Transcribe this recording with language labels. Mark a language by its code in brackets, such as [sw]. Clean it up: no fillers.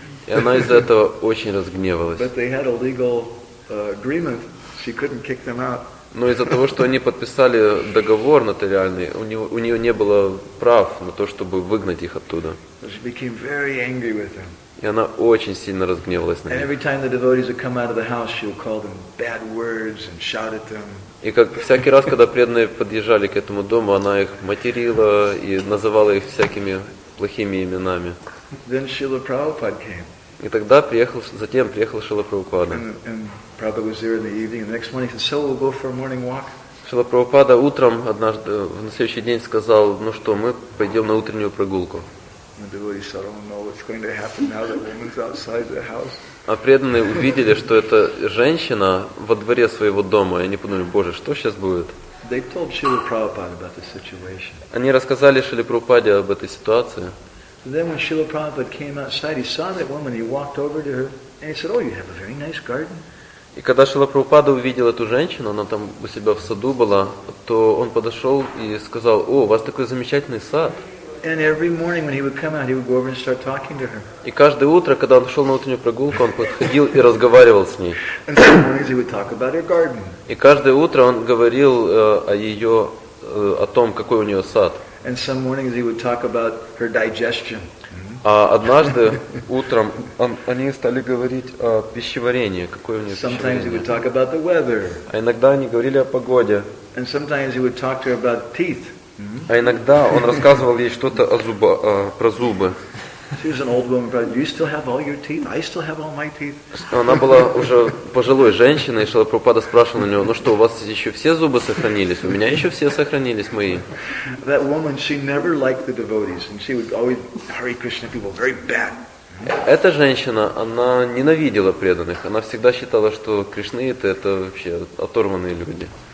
[ru] И она из-за этого очень разгневалась. [en] But they had a legal agreement. She couldn't kick them out. [ru] Но из-за того, что они подписали договор нотариальный, у нее не было прав на то, чтобы выгнать их оттуда. [en] She became very angry with them. [ru] И она очень сильно разгневалась на них. [en] And every time the devotees would come out of the house, she would call them bad words and shout at them. [ru] И как всякий раз, когда преданные подъезжали к этому дому, она их материла и называла их всякими плохими именами. [en] Then Srila Prabhupada came. [ru] И тогда приехал, затем приехал Шрила Прабхупада. [en] And Prabhupada was there in the evening. And the next morning he said, "So we'll go for a morning walk." [ru] Шрила Прабхупада утром однажды в следующий день сказал, "Ну что, мы пойдем на утреннюю прогулку." [en] And the devotees said, "Oh no, what's going to happen now that woman's outside the house?" [ru] А преданные увидели, что это женщина во дворе своего дома, и они подумали, "Боже, что сейчас будет?" [en] They told Srila Prabhupada about the situation. [ru] Они рассказали Шриле Прабхупаде об этой ситуации. [en] Then when Srila Prabhupada came outside, he saw that woman, he walked over to her, and he said, "Oh, you have a very nice garden." [ru] И когда Шрила Прабхупада увидел эту женщину, она там у себя в саду была, то он подошел и сказал, "О, у вас такой замечательный сад." [en] And every morning when he would come out, he would go over and start talking to her. [ru] И каждое утро, когда он шел на утреннюю прогулку, он подходил и разговаривал с ней. [en] And some mornings he would talk about her garden. [ru] И каждое утро он говорил о ее, о том, какой у нее сад. [en] And some mornings he would talk about her digestion. [ru] А однажды утром они стали говорить о пищеварении, какое у нее пищеварение. [en] Sometimes he would talk about the weather. [ru] А иногда они говорили о погоде. [en] And sometimes he would talk to her about teeth. [ru] А иногда он рассказывал ей что-то о зуба, про зубы. [en] She was an old woman, but you still have all your teeth. I still have all my teeth. [ru] Она была уже пожилой женщиной, и Шрила Прабхупада спрашивал у нее: "Ну что, у вас еще все зубы сохранились? У меня еще все сохранились мои." [en] That woman, she never liked the devotees, and she would always Hare Krishna people very bad. [ru] Эта женщина, она ненавидела преданных. Она всегда считала, что кришнаиты это вообще оторванные люди.